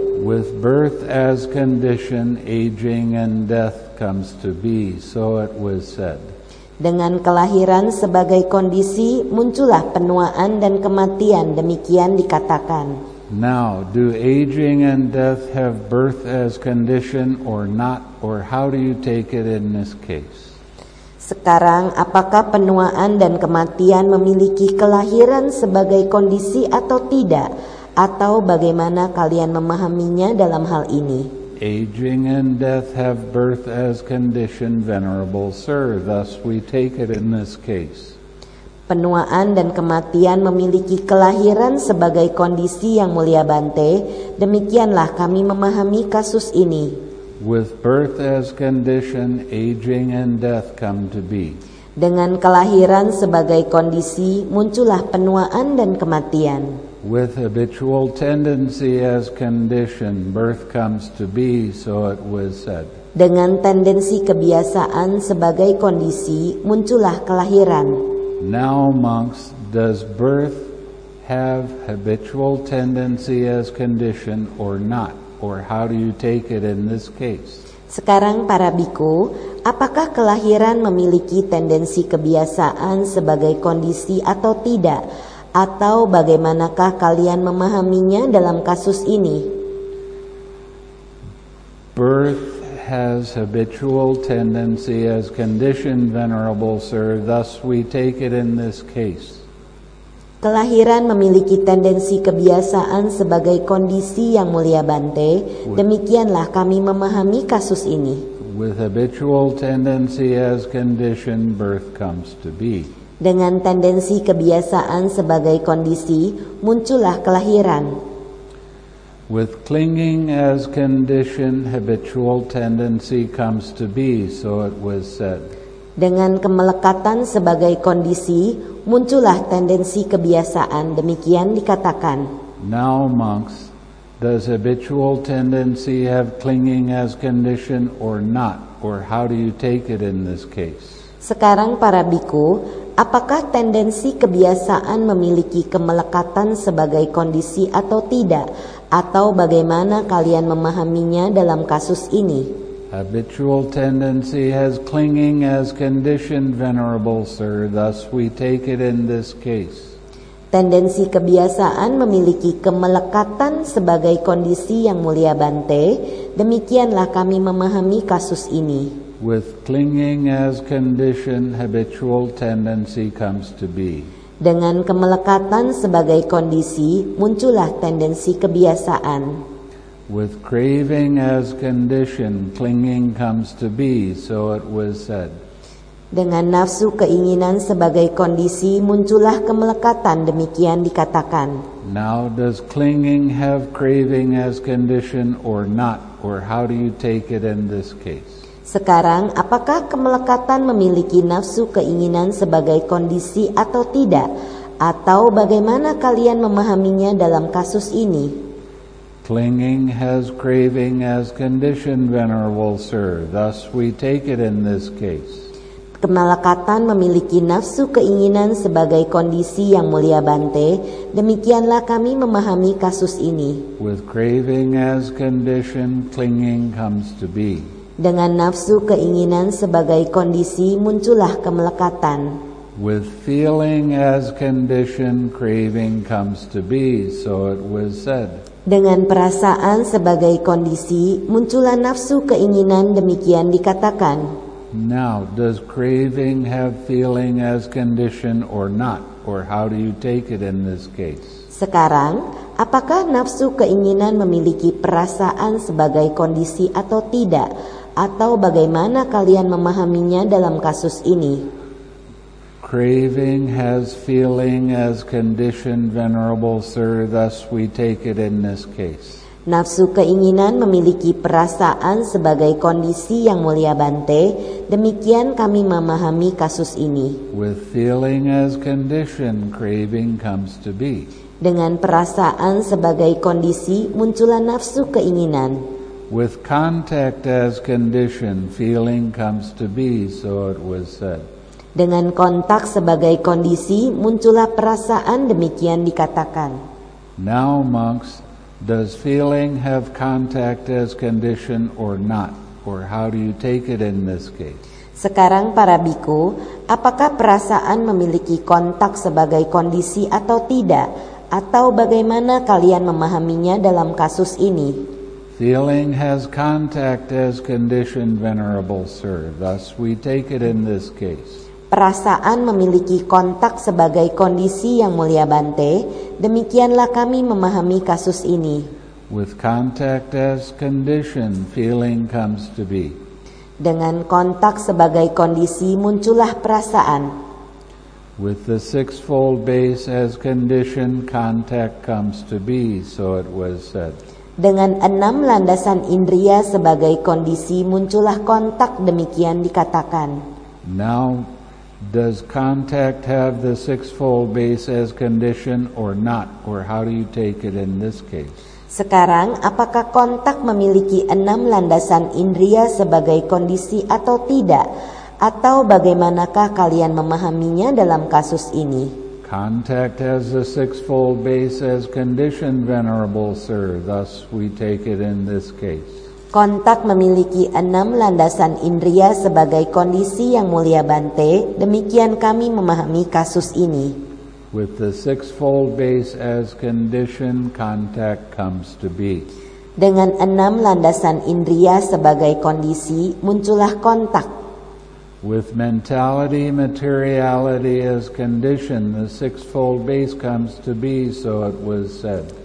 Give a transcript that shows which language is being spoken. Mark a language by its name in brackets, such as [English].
[English] With birth as condition, aging and death comes to be, so it was said. [Indonesian] Dengan kelahiran sebagai kondisi, muncullah penuaan dan kematian, demikian dikatakan. [English] Now, do aging and death have birth as condition or not, or how do you take it in this case? [Indonesian] Sekarang, apakah penuaan dan kematian memiliki kelahiran sebagai kondisi atau tidak? Atau bagaimana kalian memahaminya dalam hal ini? [English] Aging and death have birth as condition, venerable sir, thus we take it in this case. [Indonesian] Penuaan dan kematian memiliki kelahiran sebagai kondisi yang mulia Bante, demikianlah kami memahami kasus ini. [English] With birth as condition, aging and death come to be. [Indonesian] Dengan kelahiran sebagai kondisi, muncullah penuaan dan kematian. [English] With habitual tendency as condition, birth comes to be, so it was said. [Indonesian] Dengan tendensi kebiasaan sebagai kondisi, muncullah kelahiran. [English] Now, monks, does birth have habitual tendency as condition or not? Or how do you take it in this case? [Indonesian] Sekarang para biku, apakah kelahiran memiliki tendensi kebiasaan sebagai kondisi atau tidak? Atau bagaimanakah kalian memahaminya dalam kasus ini? [English] Birth has habitual tendency as condition, venerable sir, thus we take it in this case. [Indonesian] Kelahiran memiliki tendensi kebiasaan sebagai kondisi yang mulia Bante, demikianlah kami memahami kasus ini. [English] With habitual tendency as condition, birth comes to be. [Indonesian] Dengan tendensi kebiasaan sebagai kondisi, muncullah kelahiran. [English] With clinging as condition, habitual tendency comes to be, so it was said. [Indonesian] Dengan kemelekatan sebagai kondisi, muncullah tendensi kebiasaan, demikian dikatakan. [English] Now, monks, does habitual tendency have clinging as condition or not? Or how do you take it in this case? [Indonesian] Sekarang, para biku, apakah tendensi kebiasaan memiliki kemelekatan sebagai kondisi atau tidak? Atau bagaimana kalian memahaminya dalam kasus ini? [English] Habitual tendency has clinging as condition, venerable sir, thus we take it in this case. [Indonesian] Tendensi kebiasaan memiliki kemelekatan sebagai kondisi yang mulia Bante, demikianlah kami memahami kasus ini. [English] With clinging as condition, habitual tendency comes to be. [Indonesian] Dengan kemelekatan sebagai kondisi, muncullah tendensi kebiasaan. [English] With craving as condition, clinging comes to be, so it was said. [Indonesian] Dengan nafsu keinginan sebagai kondisi, muncullah kemelekatan, demikian dikatakan. [English] Now, does clinging have craving as condition or not, or how do you take it in this case? [Indonesian] Sekarang, apakah kemelekatan memiliki nafsu keinginan sebagai kondisi atau tidak? Atau bagaimana kalian memahaminya dalam kasus ini? [English] Clinging has craving as condition, venerable sir. Thus we take it in this case. [Indonesian] Kemelekatan memiliki nafsu keinginan sebagai kondisi yang mulia Bante. Demikianlah kami memahami kasus ini. [English] With craving as condition, clinging comes to be. [Indonesian] Dengan nafsu keinginan sebagai kondisi, muncullah kemelekatan. [English] With feeling as condition, craving comes to be, so it was said. [Indonesian] Dengan perasaan sebagai kondisi, muncullah nafsu keinginan, demikian dikatakan. [English] Now, does craving have feeling as condition or not? Or how do you take it in this case? [Indonesian] Sekarang, apakah nafsu keinginan memiliki perasaan sebagai kondisi atau tidak? Atau bagaimana kalian memahaminya dalam kasus ini? [English] Craving has feeling as condition, venerable sir, thus we take it in this case. [Indonesian] Nafsu keinginan memiliki perasaan sebagai kondisi yang mulia Bante, demikian kami memahami kasus ini. [English] With feeling as condition, craving comes to be. [Indonesian] Dengan perasaan sebagai kondisi, muncullah nafsu keinginan. [English] With contact as condition, feeling comes to be, so it was said. [Indonesian] Dengan kontak sebagai kondisi, muncullah perasaan, demikian dikatakan. [English] Now, monks, does feeling have contact as condition or not? Or how do you take it in this case? [Indonesian] Sekarang para bhikkhu, apakah perasaan memiliki kontak sebagai kondisi atau tidak? Atau bagaimana kalian memahaminya dalam kasus ini? [English] Feeling has contact as condition, venerable sir. Thus we take it in this case. [Indonesian] Perasaan memiliki kontak sebagai kondisi yang mulia Bante, demikianlah kami memahami kasus ini. [English] With contact as condition, feeling comes to be. [Indonesian] Dengan kontak sebagai kondisi, muncullah perasaan. [English] With the sixfold base as condition, contact comes to be, so it was said. [Indonesian] Dengan enam landasan indria sebagai kondisi, muncullah kontak, demikian dikatakan. [English] Now, does contact have the sixfold base as condition or not? Or how do you take it in this case? [Indonesian] Sekarang, apakah kontak memiliki enam landasan indria sebagai kondisi atau tidak? Atau bagaimanakah kalian memahaminya dalam kasus ini? [English] Contact has the sixfold base as condition, venerable sir. Thus we take it in this case. [Indonesian] Kontak memiliki enam landasan indria sebagai kondisi yang mulia Bante, demikian kami memahami kasus ini. [English] With the sixfold base as condition, contact comes to be. [Indonesian] Dengan enam landasan indria sebagai kondisi, muncullah kontak. [English] With mentality, materiality as condition, the sixfold base comes to be, so it was said.